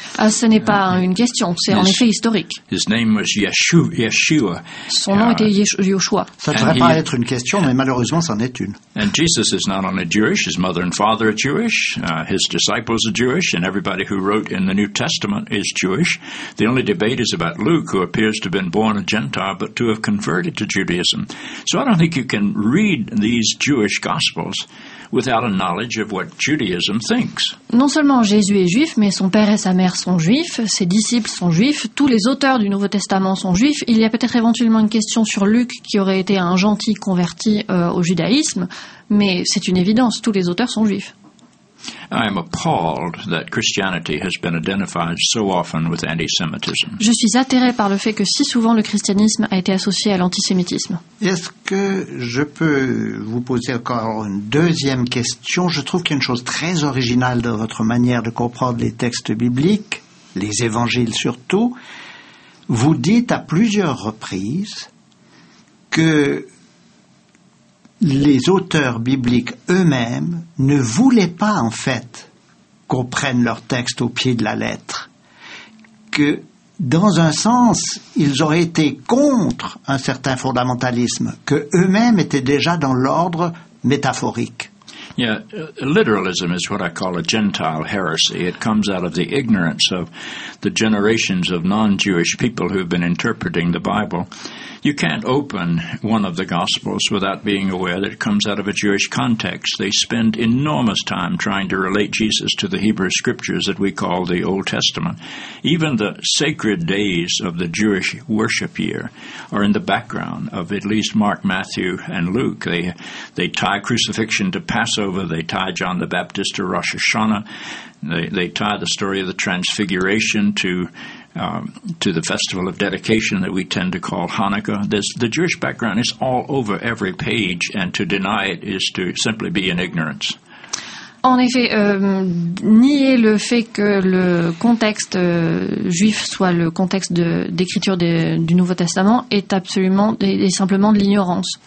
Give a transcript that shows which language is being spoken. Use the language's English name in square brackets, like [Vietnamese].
[French] Ce n'est pas une question, c'est en effet historique. [English] His name was Yeshua. [French] Son nom était Yeshua. Ça ne devrait pas être une question, mais malheureusement, c'en est une. [English] And Jesus is not only Jewish, his mother and father are Jewish, his disciples are Jewish, and everybody who wrote in the New Testament is Jewish. The only debate is about Luke, who appears to have been born a Gentile, but to have converted to Judaism. So I don't think you can read these Jewish Gospels without a knowledge of what Judaism thinks. [French] Non seulement Jésus est juif, mais son père et sa mère sont juifs, ses disciples sont juifs, tous les auteurs du Nouveau Testament sont juifs. Il y a peut-être éventuellement une question sur Luc qui aurait été un gentil converti au judaïsme, mais c'est une évidence, tous les auteurs sont juifs. [English] I am appalled that Christianity has been identified so often with anti-Semitism. [French] Je suis atterré par le fait que si souvent le christianisme a été associé à l'antisémitisme. Est-ce que je peux vous poser encore une deuxième question? Je trouve qu'il y a une chose très originale dans votre manière de comprendre les textes bibliques, les évangiles surtout. Vous dites à plusieurs reprises que les auteurs bibliques eux-mêmes ne voulaient pas, en fait, qu'on prenne leur texte au pied de la lettre. Que, dans un sens, ils auraient été contre un certain fondamentalisme, que eux-mêmes étaient déjà dans l'ordre métaphorique. [English] Yeah, literalism is what I call a Gentile heresy. It comes out of the ignorance of the generations of non-Jewish people who have been interpreting the Bible. You can't open one of the Gospels without being aware that it comes out of a Jewish context. They spend enormous time trying to relate Jesus to the Hebrew Scriptures that we call the Old Testament. Even the sacred days of the Jewish worship year are in the background of at least Mark, Matthew, and Luke. They tie crucifixion to Passover. They tie John the Baptist to Rosh Hashanah. They tie the story of the Transfiguration to the festival of dedication that we tend to call Hanukkah. The Jewish background is all over every page, and to deny it is to simply be in ignorance. [French] En effet, nier le fait que le contexte juif soit le contexte d'écriture du Nouveau Testament est absolument et simplement de l'ignorance.